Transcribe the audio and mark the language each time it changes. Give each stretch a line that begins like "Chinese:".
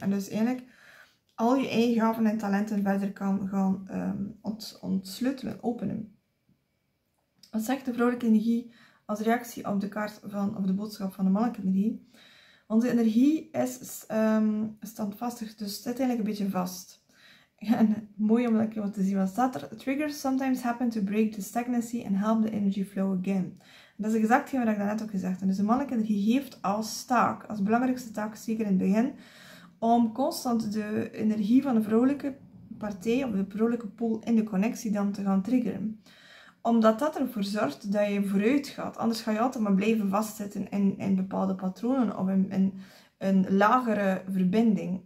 Dutch: En dus eigenlijk al je eigen gaven en talenten verder kan gaan ontsleutelen, openen. Wat zegt de vrouwelijke energie als reactie op de kaart van, of de boodschap van de mannelijke energie? Onze energie is standvastig, dus zit eigenlijk een beetje vast. En mooi om dat even te zien, wat staat er?
English: Triggers sometimes happen to break the stagnancy and help the energy flow again.
Dutch: Dat is exact wat ik daarnet ook gezegd heb. Dus de mannelijke energie heeft als taak, als belangrijkste taak, zeker in het begin, om constant de energie van de vrouwelijke partij, of de vrouwelijke pool in de connectie dan te gaan triggeren. Omdat dat ervoor zorgt dat je vooruit gaat. Anders ga je altijd maar blijven vastzitten in bepaalde patronen of in een lagere verbinding.